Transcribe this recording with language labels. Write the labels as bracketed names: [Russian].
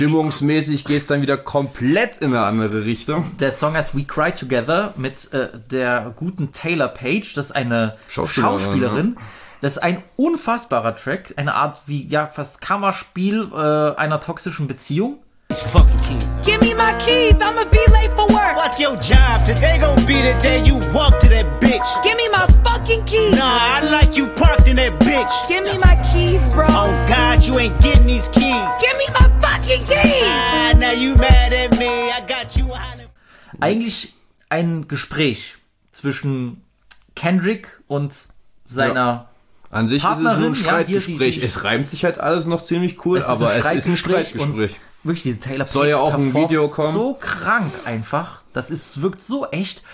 [German] Stimmungsmäßig geht es dann wieder komplett in eine andere Richtung. Der Song heißt We Cry Together mit der guten Taylor Page. Das ist eine Schauspielerin. Ja. Das ist ein unfassbarer Track. Eine Art wie, ja, fast Kammerspiel einer toxischen Beziehung. [English] Give me my keys, I'ma be late for work. Fuck your job, today gon' be the day you walk to that bitch. Give me my fucking keys. Nah, I like you parked in that bitch. Give me my keys, bro. Oh God, you ain't getting these keys. Give me my fucking keys. Ah, now you mad at me, I got you on it. [German] Eigentlich ein Gespräch zwischen Kendrick und seiner... Ja. An sich Partnerin, ist es so ein Streitgespräch. Ja, es reimt sich halt alles noch ziemlich cool, aber es ist ein Streitgespräch. Wirklich, diese Taylor Page soll ja auch ein Video kommen. So krank einfach. Das ist, wirkt so echt.